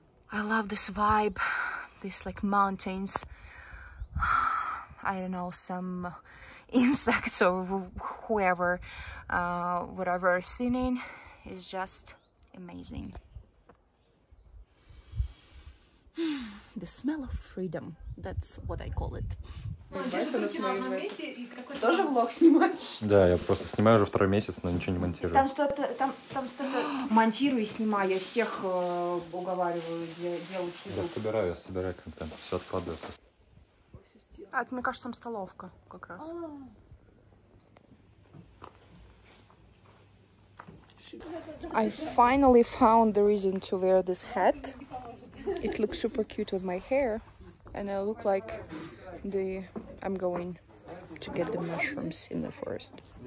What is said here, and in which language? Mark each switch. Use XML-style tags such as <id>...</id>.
<en>I love this vibe, this like mountains. I don't know, some insects or whoever, whatever are singing is just amazing. The smell of freedom, that's what I call it.</en> <ru>Тоже влог снимаешь? Да, я просто снимаю уже второй месяц, но ничего не монтирую. Там что-то монтирую и снимаю. Я всех уговариваю делать. Я собираю контент, все откладываю просто. А, это, мне кажется, там столовка как раз.</ru> <en>I finally found the reason to wear this hat. It looks super cute with my hair. And I look like I'm going to get the mushrooms in the forest.</en>